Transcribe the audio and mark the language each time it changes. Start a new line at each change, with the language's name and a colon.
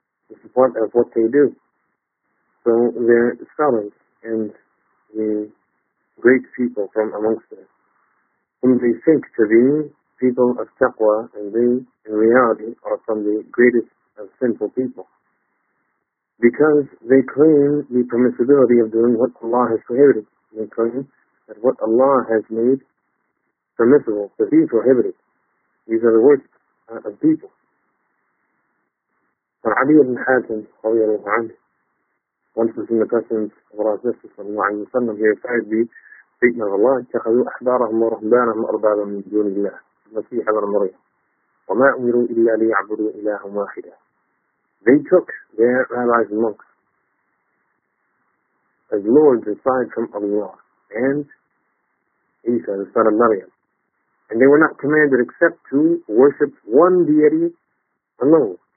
English: This is part of what they do. So their scholars and the great people from amongst them, whom they think to be people of taqwa, and they, in reality, are from the greatest of sinful people. Because they claim the permissibility of doing what Allah has prohibited. They claim that what Allah has made permissible to be prohibited. These are the worst of people. علي بن حاتم رضي الله عنه once was in the presence of Allah's Messenger
Arabic: صلى الله عليه وسلم.
English: He replied the statement of Allah,
Arabic: اتخذوا أحبارهم ورهبانهم أربابا من دون الله المسيح ابن مريم وما أمروا إلا ليعبدوا إلها واحدا.
English: They took their rabbis and monks as lords aside from Allah and Isa the son of Maryam, and they were not commanded except to worship one deity alone.